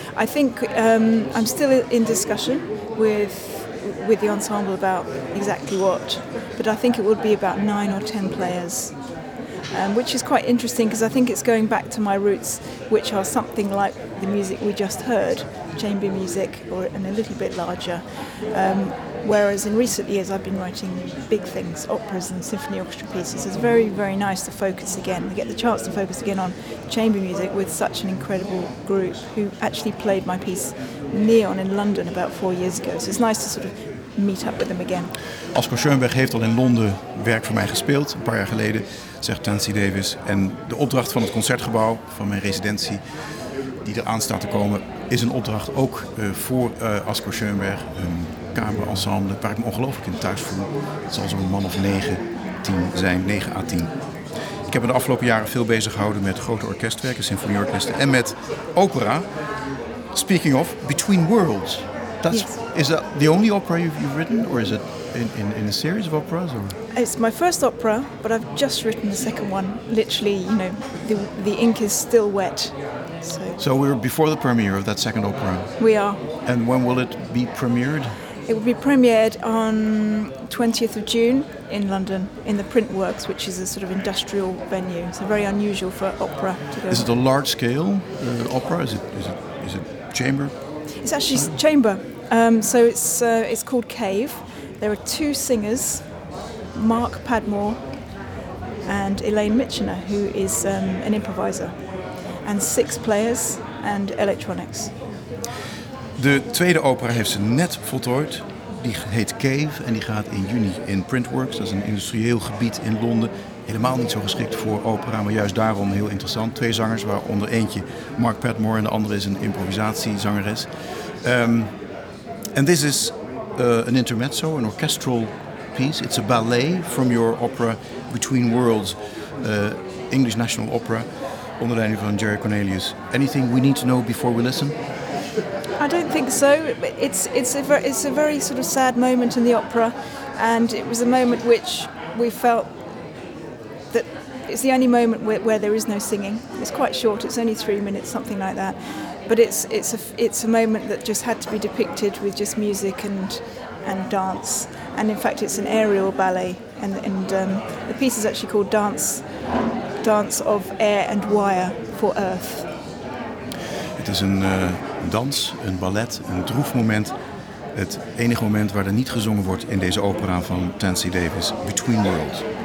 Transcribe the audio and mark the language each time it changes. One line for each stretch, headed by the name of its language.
English: I think I'm still in discussion with the ensemble about exactly what, but I think it would be about 9 or 10 players, which is quite interesting because I think it's going back to my roots, which are something like the music we just heard, chamber music, and a little bit larger, whereas in recent years I've been writing big things, operas and symphony orchestra pieces. It's very, very nice to focus again, we get the chance to focus again on chamber music with such an incredible group who actually played my piece Neon in London about 4 years ago. So it's nice to sort of meet up with them again.
Dutch: Asger Schoenberg heeft al in Londen werk voor mij gespeeld, een paar jaar geleden, zegt Tansy Davis. En de opdracht van het Concertgebouw, van mijn residentie, die eraan staat te komen, is een opdracht ook voor Asger Schoenberg, een kamerensemble waar ik me ongelooflijk in thuis voel. Het zal zo'n man of 9 à 10 zijn. 9 à 10. heb me de afgelopen jaren veel bezig gehouden met grote orkestwerken, symfonieorkesten en met opera.
English: Speaking of, Between Worlds. That's, yes. Is that the only opera you've written, or is it in a series of operas? Or? It's my first opera, but I've just written the second one. Literally, you know, the ink is still wet. So we're before the premiere of that second opera. We are. And when will it be premiered? It will be premiered on 20th of June in London, in the Printworks, which is a sort of industrial venue. It's very unusual for opera to go. Is it a large scale opera? Is it chamber? It's actually chamber. So it's called Cave. There are two singers, Mark Padmore and Elaine Michener, who is an improviser, and six players and electronics.
Dutch: De tweede opera heeft ze net voltooid. Die heet Cave en die gaat in juni in Printworks. Dat is een industrieel gebied in Londen. Helemaal niet zo geschikt voor opera, maar juist daarom heel interessant. Twee zangers, waaronder eentje Mark Padmore en de andere is een improvisatiezangeres.
English: And this is an intermezzo, an orchestral piece. It's a ballet from your opera Between Worlds, English National Opera,
Dutch: onder leiding van Jerry Cornelius.
English: Anything we need to know before we listen? I don't think so. It's a very sort of sad moment in the opera, and it was a moment which we felt that it's the only moment where there is no singing. It's quite short. It's only 3 minutes, something like that. But it's a moment that just had to be depicted with just music and dance. And in fact, it's an aerial ballet, and the piece is actually called Dance of Air and Wire for Earth.
Dutch: Het is een dans, een ballet, een droef moment. Het enige moment waar er niet gezongen wordt in deze opera van Tansy Davis, Between Worlds.